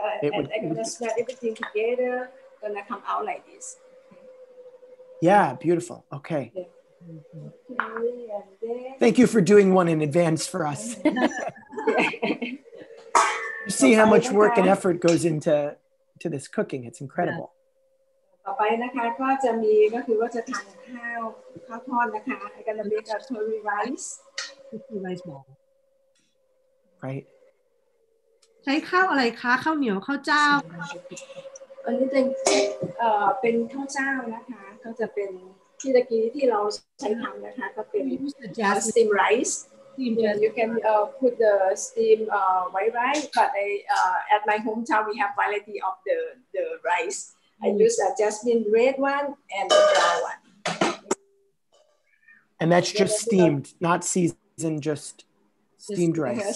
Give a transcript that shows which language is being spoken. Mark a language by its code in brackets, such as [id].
[en] I'm gonna snap everything together, gonna come out like this. Yeah, beautiful. Okay. Yeah. Mm-hmm. Thank you for doing one in advance for us. You see how much work and effort goes into this cooking. It's incredible. [th] Papaya, นะคะ ก็จะมีก็คือว่าจะทำข้าวทอดนะคะ [en] I'm gonna make a curry rice ball. Right. [th] ใช้ข้าวอะไรคะข้าวเหนียวข้าวเจ้า อัน นี้เป็นข้าวเจ้านะคะก็จะเป็นที่ตะกี้ที่เราใช้ทำนะคะก็เป็น [en] steam rice steam you can put the steam white rice but I at my hometown we have variety of the rice I use a jasmine red one and the brown one and that's just steamed not seasoned just steamed rice